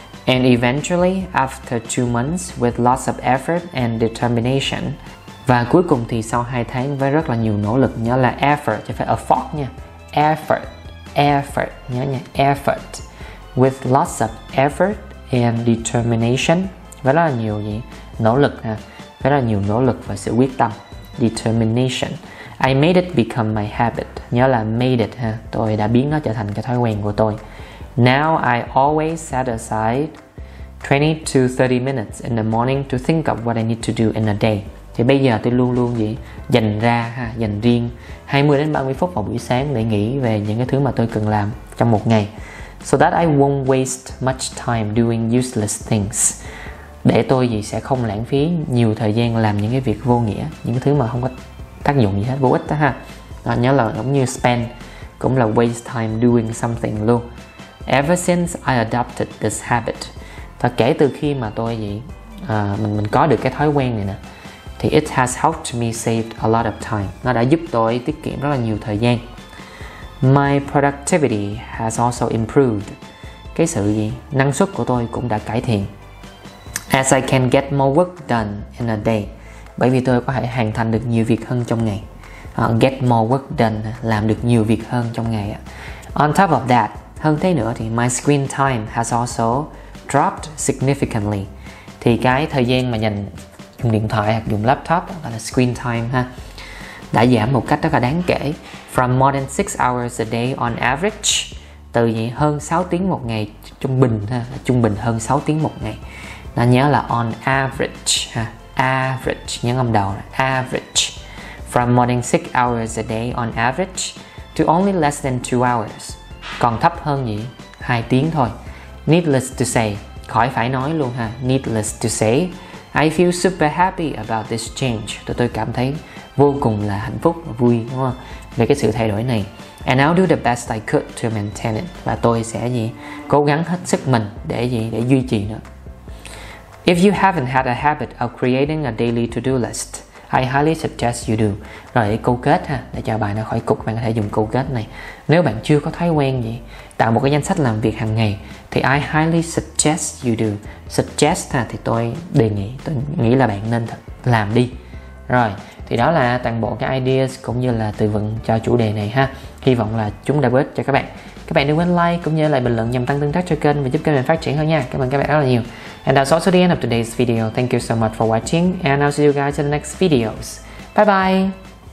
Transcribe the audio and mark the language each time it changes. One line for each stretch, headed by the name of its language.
English: And eventually, after 2 months with lots of effort and determination.
Vietnamese: Và cuối cùng thì sau 2 tháng với rất là nhiều nỗ lực, nhớ là effort, chứ phải effort nha. Effort, nhớ nha, effort.
English: With lots of effort and determination.
Vietnamese: Với rất là nhiều gì? Nỗ lực ha. Với rất là nhiều nỗ lực và sự quyết tâm. Determination.
English: I made it become my habit.
Vietnamese: Nhớ là made it ha. Tôi đã biến nó trở thành cái thói quen của tôi.
English: Now I always set aside 20 to 30 minutes in the morning to think of what I need to do in a day.
Vietnamese: Thì bây giờ tôi luôn luôn gì? Dành ra ha, dành riêng 20 đến 30 phút vào buổi sáng để nghĩ về những cái thứ mà tôi cần làm trong một ngày.
English: So that I won't waste much time doing useless things.
Vietnamese: Để tôi gì sẽ không lãng phí nhiều thời gian làm những cái việc vô nghĩa, những cái thứ mà không có tác dụng gì hết, vô ích đó ha. Đó, nhớ là giống như spend cũng là waste time doing something luôn.
English: Ever since I adopted this habit.
Vietnamese: Và kể từ khi mà tôi gì mình có được cái thói quen này nè, thì
English: it has helped me save a lot of time.
Vietnamese: Nó đã giúp tôi tiết kiệm rất là nhiều thời gian.
English: My productivity has also improved.
Vietnamese: Cái sự gì? Năng suất của tôi cũng đã cải thiện.
English: As I can get more work done in a day.
Vietnamese: Bởi vì tôi có thể hoàn thành được nhiều việc hơn trong ngày.
English: Get more work done,
Vietnamese: làm được nhiều việc hơn trong ngày.
English: On top of that,
Vietnamese: hơn thế nữa thì
English: my screen time has also dropped significantly.
Vietnamese: Thì cái thời gian mà dành dùng điện thoại hoặc dùng laptop gọi là screen time ha, đã giảm một cách rất là đáng kể.
English: From more than 6 hours a day on average.
Vietnamese: Từ gì? Hơn 6 tiếng một ngày trung bình ha. Trung bình hơn 6 tiếng một ngày. Nó nhớ là on average ha. Average, nhớ âm đầu là average.
English: From more than 6 hours a day on average to only less than 2 hours.
Vietnamese: Còn thấp hơn gì? 2 tiếng thôi.
English: Needless to say,
Vietnamese: khỏi phải nói luôn ha.
English: Needless to say, I feel super happy about this change.
Vietnamese: Tôi cảm thấy vô cùng là hạnh phúc, vui đúng không? Về cái sự thay đổi này.
English: And I'll do the best I could to maintain it.
Vietnamese: Và tôi sẽ gì? Cố gắng hết sức mình để gì? Để duy trì nó.
English: If you haven't had a habit of creating a daily to-do list, I highly suggest you do.
Vietnamese: Rồi câu kết ha, để cho bài nó khỏi cục, bạn có thể dùng câu kết này. Nếu bạn chưa có thói quen gì, tạo một cái danh sách làm việc hàng ngày, thì
English: I highly suggest you do.
Vietnamese: Suggest ha, thì tôi đề nghị, tôi nghĩ là bạn nên làm đi. Rồi, thì đó là toàn bộ cái ideas cũng như là từ vựng cho chủ đề này ha. Hy vọng là chúng đã bớt cho các bạn. Các bạn đừng quên like cũng như là bình luận nhằm tăng tương tác cho kênh và giúp kênh mình phát triển hơn nha. Cảm ơn các bạn rất là nhiều.
English: And that's also the end of today's video. Thank you so much for watching and I'll see you guys in the next videos. Bye bye!